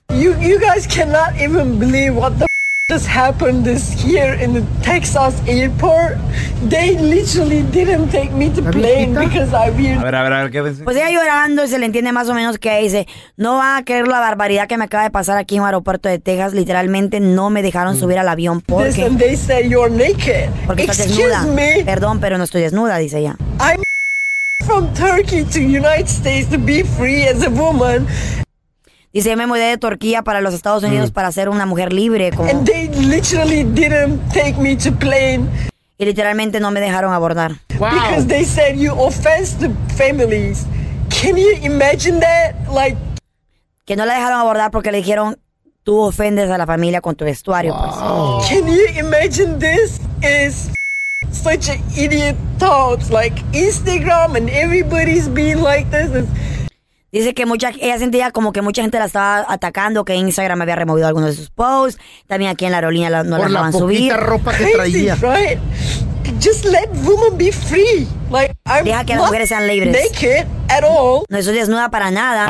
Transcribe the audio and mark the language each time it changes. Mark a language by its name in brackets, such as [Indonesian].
[English] You guys cannot even believe what the just happened this year in the Texas airport. They literally didn't take me to plane because I wear. [Spanish] A ver, ¿qué dice? Pues ella llorando y se le entiende más o menos que dice, no va a creer la barbaridad que me acaba de pasar aquí en un aeropuerto de Texas. Literalmente no me dejaron subir al avión porque. [English] This and they say you're naked. [Spanish] Porque [English] excuse [Spanish] estás desnuda. [English] Me. [Spanish] Perdón, pero no estoy desnuda, dice ella. [English] I'm from Turkey to United States to be free as a woman. [Spanish] Dice, yo me mudé de Turquía para los Estados Unidos para ser una mujer libre. Como... [English] And they literally didn't take me to plane. [Spanish] Y literalmente no me dejaron abordar. [English] Wow. Because they said you offend the families. Can you imagine that? Like... [Spanish] Que no la dejaron abordar porque le dijeron, tú ofendes a la familia con tu vestuario. [English] Wow. [Spanish] Pues. [English] Can you imagine this is such an idiot thought. Like Instagram and everybody's being like this is... [Spanish] Dice que ella sentía como que mucha gente la estaba atacando, que Instagram había removido algunos de sus posts. También aquí en la aerolínea no la dejaban subir. Por la poquita ropa que traía. [English] Crazy, right? Just let women be free. [Spanish] Deja que las mujeres sean libres. No estoy desnuda para nada.